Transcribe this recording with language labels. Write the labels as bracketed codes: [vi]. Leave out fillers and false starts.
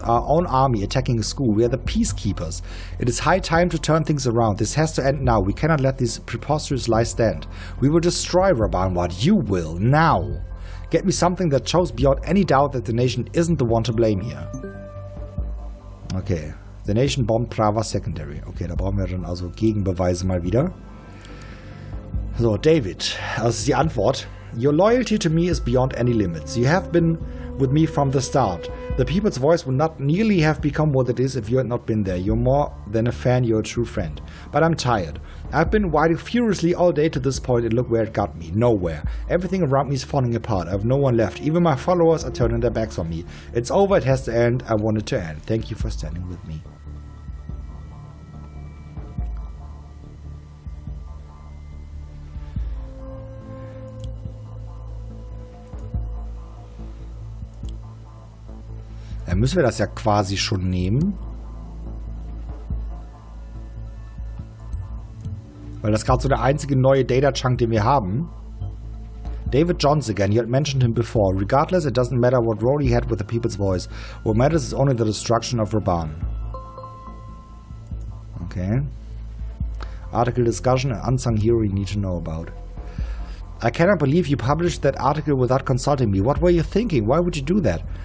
[en] Our own army attacking a school. We are the peacekeepers. It is high time to turn things around. This has to end now. We cannot let these preposterous lies stand. We will destroy Raban Vard. You will. Now. Get me something that shows beyond any doubt that the nation isn't the one to blame here. Okay. The Nation bombed Prava Secondary. [de] Okay, da brauchen wir dann also Gegenbeweise mal wieder. So, David, das ist die Antwort. [en] Your loyalty to me is beyond any limits. You have been with me from the start. The people's voice would not nearly have become what it is if you had not been there. You're more than a fan, you're a true friend. But I'm tired. I've been riding furiously all day to this point and look where it got me. Nowhere. Everything around me is falling apart. I have no one left. Even my followers are turning their backs on me. It's over. It has to end. I want it to end. Thank you for standing with me. [de] Dann müssen wir das ja quasi schon nehmen. Weil das gerade so der einzige neue Data-Chunk, den wir haben. [en] David Johns again, you had mentioned him before. Regardless, it doesn't matter what role he had with the People's Voice. What matters is only the destruction of Raban. Okay. Article discussion, an unsung hero you need to know about. I cannot believe you published that article without consulting me. What were you thinking? Why would you do that?